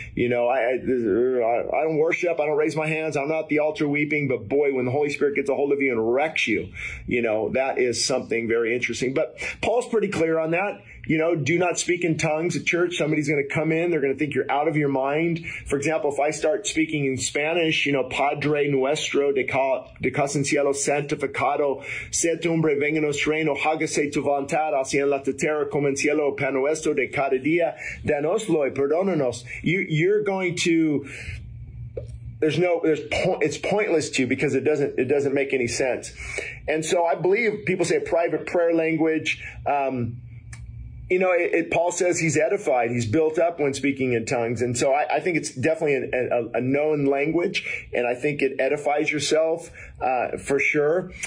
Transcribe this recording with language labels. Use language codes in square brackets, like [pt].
[en] You know, I don't worship, I don't raise my hands, I'm not at the altar weeping. But boy, when the Holy Spirit gets a hold of you and wrecks you, you know, that is something very interesting. But Paul's pretty clear on that. you know, do not speak in tongues at church. Somebody's going to come in. They're going to think you're out of your mind. For example, if I start speaking in Spanish, you know, [es] Padre nuestro de casa en cielo santificado, sea tu nombre, venga nos reino, hágase tu voluntad, así en la tierra como en cielo, pan nuestro de cada día, danoslo y perdónanos. [en] You're going to... it's pointless to you because it doesn't make any sense. And so I believe people say a private prayer language. Paul says he's edified, he's built up when speaking in tongues. And so I think it's definitely a known language, and I think it edifies yourself, for sure.